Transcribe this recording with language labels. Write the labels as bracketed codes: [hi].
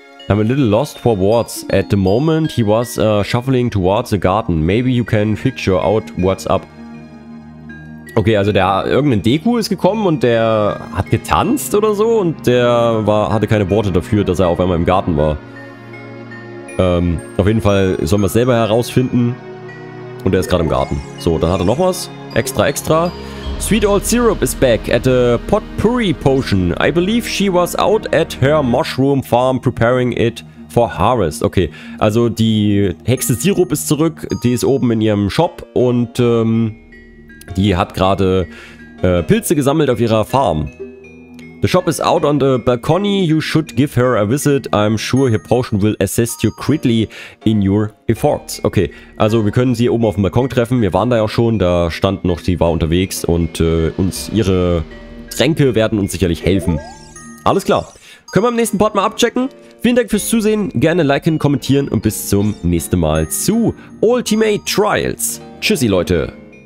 [en] I'm a little lost for words. At the moment, he was shuffling towards the garden. Maybe you can figure out what's up. [de] Okay, also der irgendein Deku ist gekommen und der hat getanzt oder so und der war hatte keine Worte dafür, dass er auf einmal im Garten war. Auf jeden Fall sollen wir es selber herausfinden. Und er ist gerade im Garten. So, dann hat er noch was. Extra, extra. [en] Sweet Old Syrup is back at a potpourri potion. I believe she was out at her mushroom farm preparing it for harvest. [de] Okay, also die Hexe Syrup ist zurück. Die ist oben in ihrem Shop und die hat gerade Pilze gesammelt auf ihrer Farm. [en] The shop is out on the balcony. You should give her a visit. I'm sure her potion will assist you greatly in your efforts. [de] Okay, also wir können sie oben auf dem Balkon treffen. Wir waren da ja schon, da stand noch, sie war unterwegs und ihre Tränke werden uns sicherlich helfen. Alles klar. Können wir im nächsten Part mal abchecken? Vielen Dank fürs Zusehen. Gerne liken, kommentieren und bis zum nächsten Mal zu Ultimate Trials. Tschüssi, Leute.